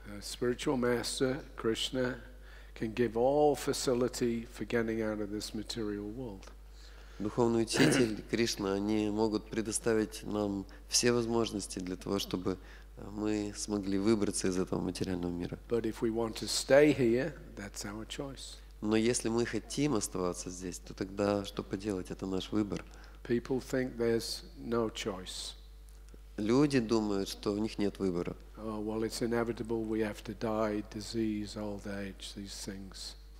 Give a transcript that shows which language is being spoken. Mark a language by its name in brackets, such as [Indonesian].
[English] Spiritual master Krishna can give all facility for getting out of this material world. [Russian] Духовный учитель Кришна, они могут предоставить нам все возможности для того, чтобы мы смогли выбраться из этого материального мира. [English] But if we want to stay here, that's our choice. [Russian] Но если мы хотим оставаться здесь, то тогда что поделать? Это наш выбор. [English] People think there's no choice. [Russian] Люди думают, что у них нет выбора. [English] Oh, well, it's inevitable we have to die, disease, old age, these things.